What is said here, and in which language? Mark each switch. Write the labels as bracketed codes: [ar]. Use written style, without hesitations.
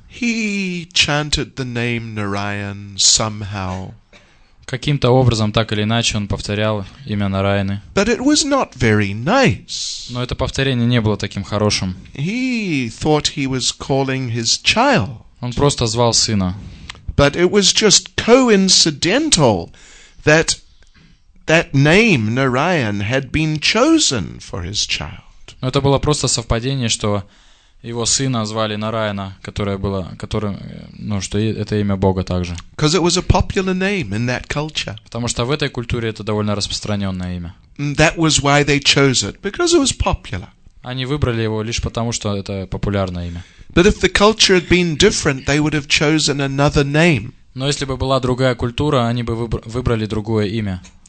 [en] He chanted the name Narayan somehow. [ru] Каким-то образом, так или иначе, он повторял имя Нараяны. [en] But it was not very nice. [ru] Но это повторение не было таким хорошим. [en] He thought he was calling his child. [ru] Он просто звал сына. [en] But it was just coincidental that that name Narayan had been chosen for his child. [ru] Но это было просто совпадение, что его сына звали Нараяна, которое было, которым, ну, что это имя Бога также. [en] Because it was a popular name in that culture. [ru] Потому что в этой культуре это довольно распространенное имя. [en] That was why they chose it, because it was popular. [ru] Они выбрали его лишь потому, что это популярное имя. [en] But if the culture had been different, they would have chosen another name. [ru] Но если бы была другая культура, они бы выбрали другое имя.